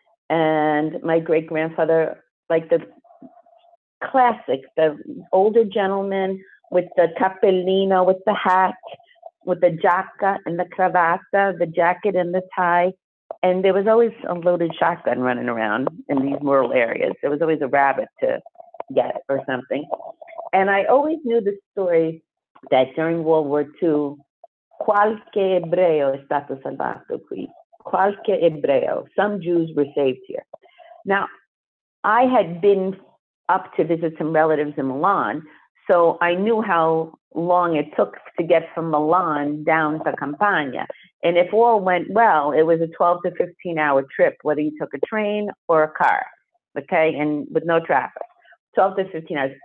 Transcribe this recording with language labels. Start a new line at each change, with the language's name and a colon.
English: And my great-grandfather, like the classic, the older gentleman with the cappellino, with the hat, with the giacca and the cravatta, the jacket and the tie. And there was always a loaded shotgun running around in these rural areas. There was always a rabbit to get or something. And I always knew the story that during World War II,
Italian: qualche ebreo è stato salvato qui. Qualche ebreo,
English: some Jews were saved here. Now, I had been up to visit some relatives in Milan, so I knew how long it took to get from Milan down to Campania. And if all went well, it was a 12 to 15 hour trip, whether you took a train or a car, okay, and with no traffic, 12 to 15 hours.